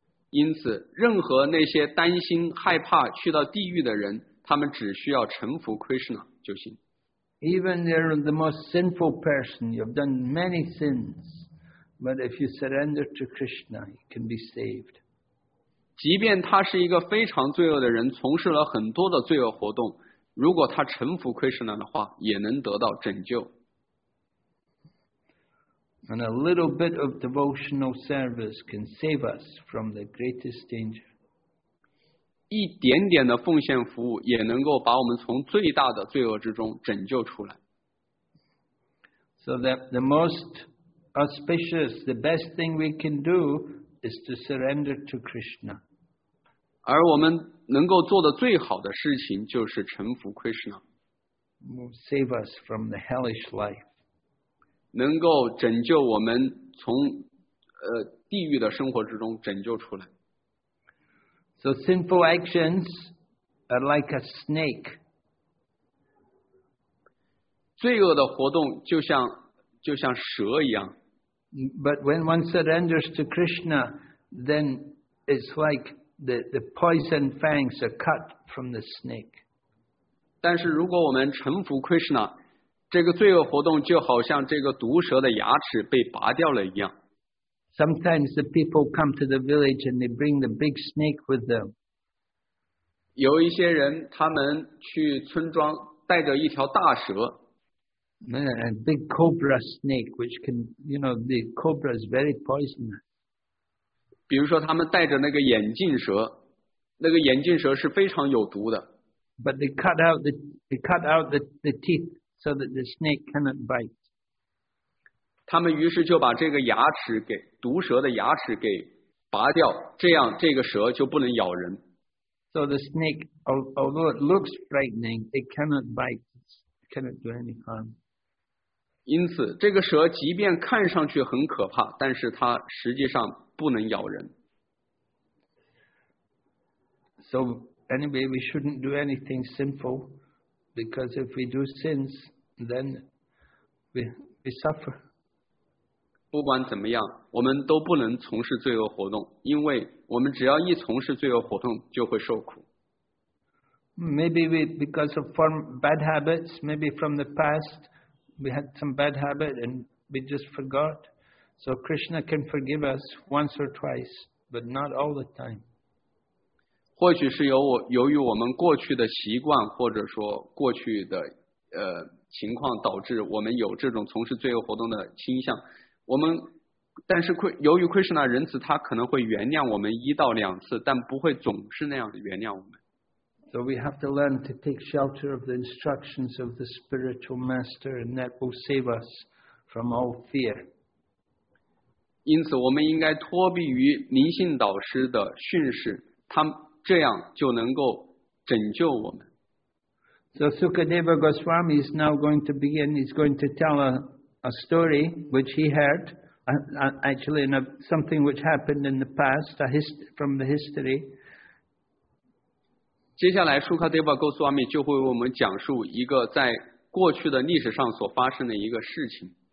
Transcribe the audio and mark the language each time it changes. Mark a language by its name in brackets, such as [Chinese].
[Chinese] 因此任何那些担心害怕去到地狱的人，他们只需要臣服 Krishna 就行。 [English] Even they're the most sinful person, you've done many sins, but if you surrender to Krishna, you can be saved. [Chinese] 即便他是一个非常罪恶的人，从事了很多的罪恶活动，如果他臣服 Krishna 的话，也能得到拯救。 [English] And a little bit of devotional service can save us from the greatest danger. [Chinese] 一点点的奉献服务也能够把我们从最大的罪恶之中拯救出来。 [English] So that the most auspicious, the best thing we can do is to surrender to Krishna. [Chinese] 而我们能够做的最好的事情就是臣服 Krishna。 [English] Save us from the hellish life. [Chinese] 能够拯救我们从地狱的生活之中拯救出来。 [English] So sinful actions are like a snake. [Chinese] 罪恶的活动就像蛇一样。 [English] But when one surrenders to Krishna, then it's like the poison fangs are cut from the snake. [Chinese] 但是如果我们臣服 Krishna, 这个罪恶活动就好像这个毒蛇的牙齿被拔掉了一样。 [English] Sometimes the people come to the village and they bring the big snake with them. [Chinese] 有一些人他们去村庄带着一条大蛇。 [English] A big cobra snake, which can, you know, the cobra is very poisonous. [Chinese] 比如说他们带着那个眼镜蛇，那个眼镜蛇是非常有毒的。 [English] But they cut out the teeth so that the snake cannot bite. [Chinese] 他们于是就把这个牙齿给毒蛇的牙齿给拔掉，这样这个蛇就不能咬人。 [English] So the snake, although it looks frightening, it cannot bite. It cannot do any harm. [Chinese] 因此，这个蛇即便看上去很可怕，但是它实际上不能咬人。 [English] So. Anyway, we shouldn't do anything sinful, because if we do sins, then we suffer. [Chinese] 不管怎么样，我们都不能从事罪恶活动，因为我们只要一从事罪恶活动，就会受苦。 [English] Maybe we, because of bad habits, maybe from the past, we had some bad habit and we just forgot. So Krishna can forgive us once or twice, but not all the time. [Chinese] 或许是由于我们过去的习惯或者说过去的情况导致我们有这种从事罪恶活动的倾向，我们但是由于 Krishna 仁慈，他可能会原谅我们一到两次，但不会总是那样原谅我们。 [English] So we have to learn to take shelter of the instructions of the spiritual master, and that will save us from all fear. [Chinese] 因此我们应该脱避于灵性导师的训示，他这样就能够拯救我们。 [English] So Sukadeva Goswami is now going to begin. He's going to tell a story which he heard, actually, in something which happened in the past, from the history. [Chinese] 接下来 ，Sukadeva Goswami 就会为我们讲述一个在过去的历史上所发生的一个事情。